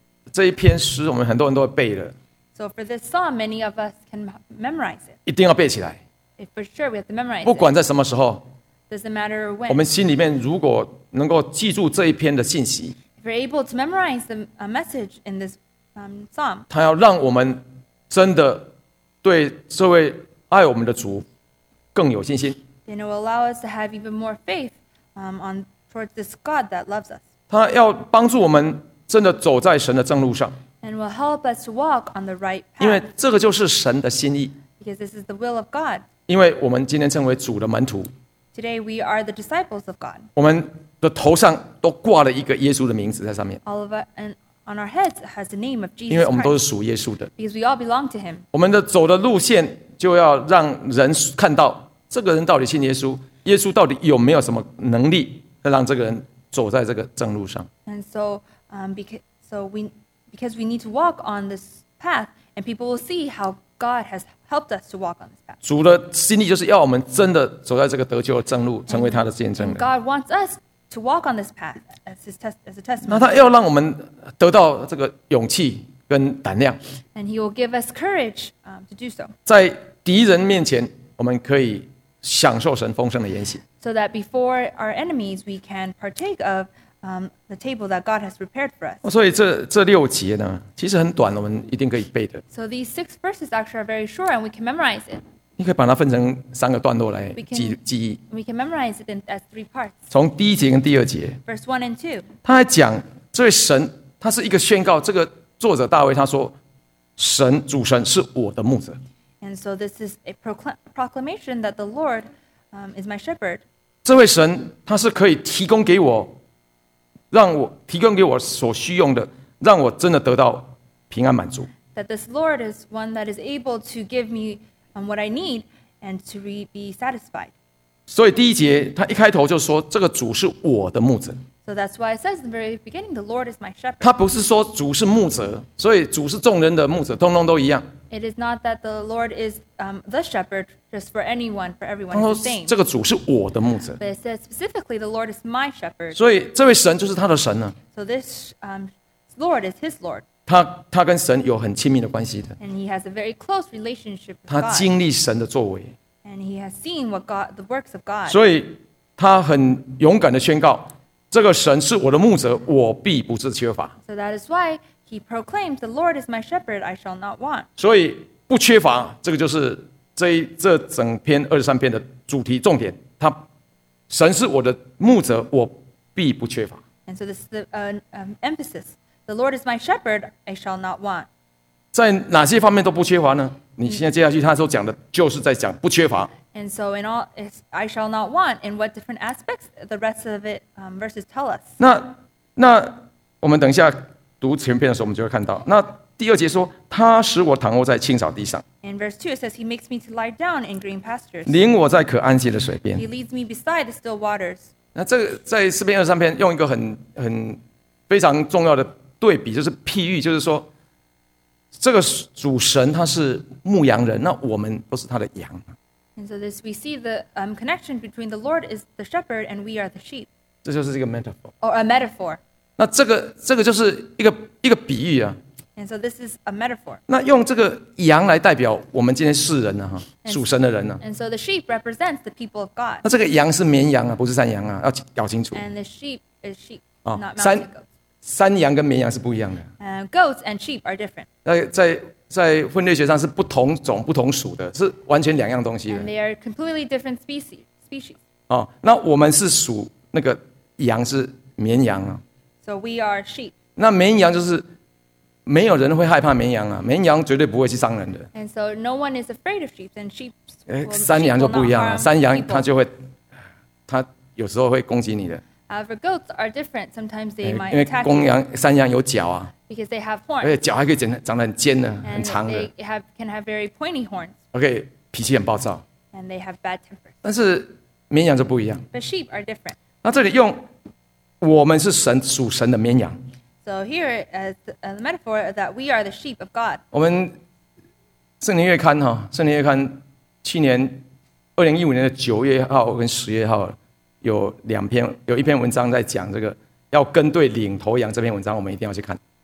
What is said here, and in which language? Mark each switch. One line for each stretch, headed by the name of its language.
Chinese: 这一篇诗，我们很多人都会背的。
English: So for this psalm, many of us can memorize it.
Chinese: 一定要背起来。
English: If for sure we have to memorize.
Chinese: 不管在什么时候。
English: Doesn't matter when.
Chinese: 我们心里面如果能够记住这一篇的信息。
English: If we're able to memorize the message in this psalm.
Chinese: 它要让我们真的。对这位爱我们的主更有信心。
English: And it will allow us to have even more faith towards this God that loves us.
Chinese: 他要帮助我们真的走在神的正路上。
English: And will help us to walk on the right path.
Chinese: 因为这个就是神的心意。
English: Because this is the will of God.
Chinese: 因为我们今天称为主的门徒。
English: Today we are the disciples of God.
Chinese: 我们的头上都挂了一个耶稣的名字在上面。
English: All of us and On our heads has the name of Jesus Christ.
Chinese: 因为我们都是属耶稣的。
English: Because we all belong to Him.
Chinese: 我们的走的路线就要让人看到这个人到底信耶稣，耶稣到底有没有什么能力能让这个人走在这个正路上。
English: And so, because we need to walk on this path, and people will see how God has helped us to walk on this path.
Chinese: 主的心意就是要我们真的走在这个得救的正路，成为他的见证人。
English: God wants us. To walk on this path as a testimony.
Chinese: 那他要让我们得到这个勇气跟胆量。
English: And he will give us courage to do so.
Chinese: 在敌人面前，我们可以享受神丰盛的筵席。
English: So that before our enemies, we can partake of the table that God has prepared for us.
Chinese: 所以这六节呢，其实很短，我们一定可以背的。
English: So these six verses actually are very short, and we can memorize it.
Chinese: 你可以把它分成三个段落来记忆。
English: We can memorize it as three parts.
Chinese: 从第一节跟第二节。
English: Verse 1 and 2.
Chinese: 他还讲这位神他是一个宣告这个作者大卫他说神主神是我的牧者。
English: And so this is a proclamation that the Lord is my shepherd.
Chinese: 这位神他是可以提供给我让我提供给我所需用的让我真的得到平安满足。
English: That this Lord is one that is able to give me on what I need and to be satisfied.
Chinese: 所以第一节他一开头就说这个主是我的牧者。
English: So that's why it says in the very beginning the Lord is my shepherd.
Chinese: 他不是说主是牧者所以主是众人的牧者通通都一样。
English: It is not that the Lord is the shepherd just for anyone, for everyone the same.
Chinese: 这个主是我的牧者。
English: But it says specifically the Lord is my shepherd.
Chinese: 所以这位神就是他的神了。
English: So this Lord is his Lord.
Chinese: 他跟神有很亲密的关系的。
English: And he has a very close relationship with
Chinese: God. 他经历神的作为。
English: And he has seen what God, the works of God.
Chinese: 所以他很勇敢的宣告，这个神是我的牧者，我必不致缺乏。
English: So that is why he proclaims, "The Lord is my shepherd; I shall not want."
Chinese: 所以不缺乏，这个就是这整篇二十三篇的主题重点。他神是我的牧者，我必不缺乏。
English: And so this is the emphasis: "The Lord is my shepherd; I shall not want."
Chinese: 在哪些方面都不缺乏呢？你现在接下去他所讲的，就是在讲不缺乏。
English: And so in all, I shall not want. In what different aspects the rest of it verses tell us?
Chinese: 那我们等一下读前篇的时候，我们就会看到。那第二节说，他使我躺卧在青草地上。
English: In verse 2 it says, he makes me to lie down in green pastures.
Chinese: 领我在可安歇的水边。
English: He leads me beside the still waters.
Chinese: 那这个在诗篇二十三篇用一个很非常重要的对比，就是譬喻，就是说，这个主神他是牧羊人，那我们都是他的羊。
English: And so this, we see the connection between the Lord is the shepherd and we are the sheep.
Chinese: 这就是一个 metaphor.
English: Or a metaphor.
Chinese: 那这个就是一个比喻啊。
English: And so this is a metaphor.
Chinese: 那用这个羊来代表我们今天世人啊，属神的人啊。
English: And so the sheep represents the people of God.
Chinese: 那这个羊是绵羊啊，不是山羊啊，要搞清楚。
English: And the sheep is sheep, not mountain goats.
Chinese: 山羊跟绵羊是不一样的。
English: Goats and sheep are different.
Chinese: 在分类学上是不同种、不同属的，是完全两样东西的。
English: And they are completely different species.
Chinese: 哦，那我们是属那个羊，是绵羊啊。
English: So we are sheep.
Chinese: 那绵羊就是没有人会害怕绵羊啊，绵羊绝对不会去伤人的。
English: And so no one is afraid of sheep. And sheep.
Chinese: 山羊就不一样了，山羊它就会，它有时候会攻击你的。
English: However, goats are different. Sometimes they might attack.
Chinese: 因为公羊、山羊有角啊。
English: Because they have horns. 而
Chinese: 且脚还可以长得很尖的，很长的。
English: And they can have very pointy horns.
Chinese: Okay, 脾气很暴躁。
English: And they have bad temper.
Chinese: 但是绵羊就不一样。
English: But sheep are different.
Chinese: 那这里用我们是神属神的绵羊。
English: So here is the metaphor that we are the sheep of God.
Chinese: 我们圣灵月刊哈，圣灵月刊去年2015年的9月1号跟10月1号有两篇，有一篇文章在讲这个要跟对领头羊这篇文章，我们一定要去看。